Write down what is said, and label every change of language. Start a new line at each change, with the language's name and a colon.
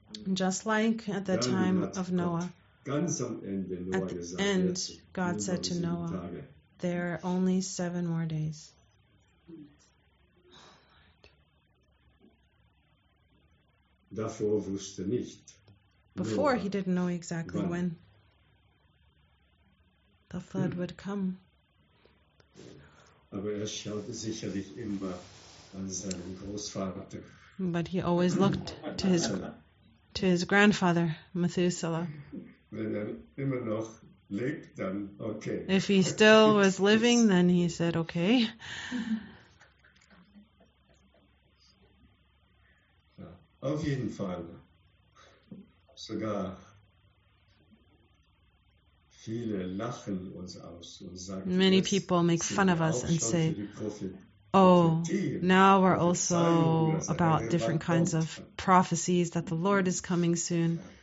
English: Just like at the time of Noah. At the end, God said to Noah, there are only 7 more days.
German: Davor wusste nicht.
English: Before he didn't know exactly when the flood would come.
German: Aber er schaute sicherlich immer an seinen Großvater.
English: But he always looked to his grandfather Methuselah.
German: Wenn er immer noch lebt, dann okay.
English: If he still was living, then he said okay.
German: Auf jeden Fall, sogar viele lachen uns aus und sagen,
English: many people make fun of us and say, oh, now we're also about different kinds of prophecies that the Lord is coming soon.